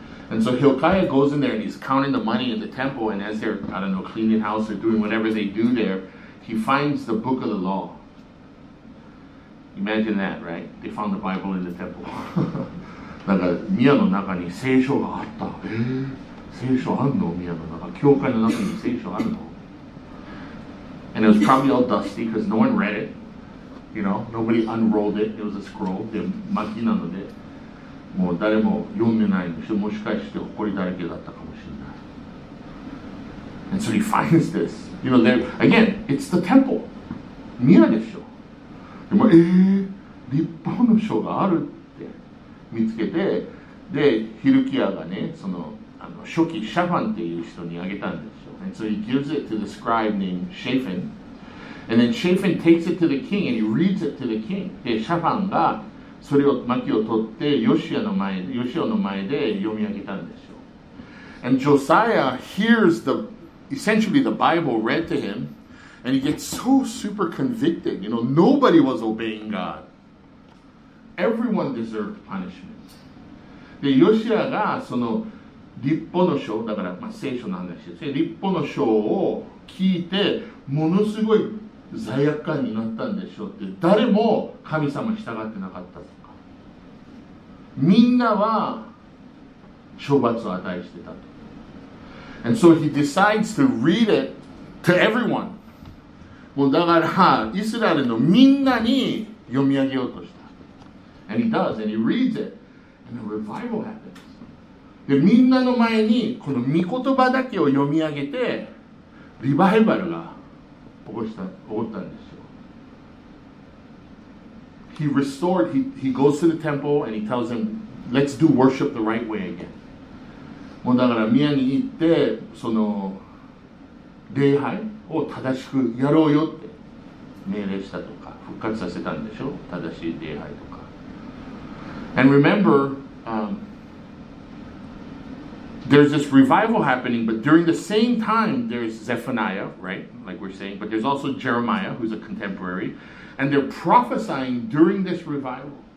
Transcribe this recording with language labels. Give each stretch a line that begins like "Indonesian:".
English: And so Hilkiah goes in there and he's counting the money in the temple and as they're, I don't know, cleaning house or doing whatever they do there, he finds the book of the law. Imagine that, right? They found the Bible in the temple.
Japanese: なんか、宮の中に聖書があった。聖書あんの？宮の中。教会の中に聖書あんの？
English: And it was probably all dusty because no one read it. You know, nobody unrolled it. It was a scroll.
Japanese: で、巻きなので、もう誰も読んでないんでしょ。もしかして埃だらけだったかもしれない。
English: And so he finds this. You know, there, again, it's the temple.
Japanese: 宮でしょ。でも、立法の書があるって見つけて、で、ヒルキヤがね、その、初期シャファンっていう人にあげたんですよ。
English: And so he gives it to the scribe named Shaphan. And then Shaphan takes it to the king and he reads it to the king.
Japanese: で、シャファンがそれを巻きを取ってヨシアの前で読み上げたんですよ。
English: And Josiah hears the, essentially the Bible read to him and he gets so super convicted. You know, nobody was obeying God. Everyone deserved punishment.
Japanese: で、ヨシアがその立法の書だから、まあ、聖書の話ですね。立法の書を聞いてものすごい罪悪感になったんでしょうって誰も神様に従ってなかったとかみんなは処罰を与えしてたと。
English: And so he decides to read it to everyone.
Japanese: もうだからイスラエルのみんなに読み上げようとした。
English: And he does, and he reads it. And a revival happens.
Japanese: で、みんなの前にこの御言葉だけを読み上げて、リバイバルが起こったんですよ。
English: He restored, he goes to the temple and he tells them, let's do worship the right way again.
Japanese: もうだから宮に行って、その礼拝を正しくやろうよって命令したとか、復活させたんでしょ、正しい礼拝とか。
English: And remember, there's this revival happening, but during the same time, there's Zephaniah, right? Like we're saying, but there's also Jeremiah, who's a contemporary, and they're prophesying during this revival.